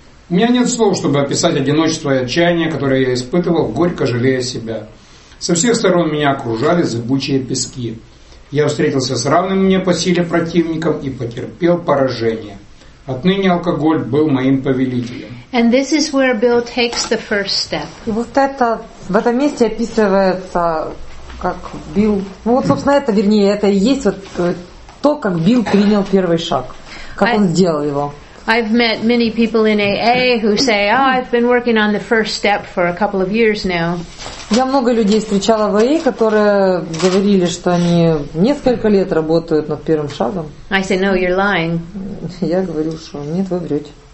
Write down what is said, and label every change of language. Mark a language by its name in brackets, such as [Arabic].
[Russian] У меня нет слов, чтобы описать одиночество и отчаяние, которое я испытывал, горько жалея себя. Со всех сторон меня окружали зыбучие пески. Я встретился с равным мне по силе противником и потерпел поражение. Отныне алкоголь был моим повелителем. [English] And this is where Bill takes the first step. [Russian] И вот это в этом месте описывается, как Билл. Ну вот, собственно, это, вернее, это и есть вот то, как Билл принял первый шаг, как он сделал его. [English] I've met many people in AA who say, "Oh, I've been working on the first step for a couple of years now." [Russian] Я много людей встречала в АА, которые говорили, что они несколько лет работают над первым шагом. [English] I say, "No, you're lying." [Russian] Я говорю, что нет, вы врете.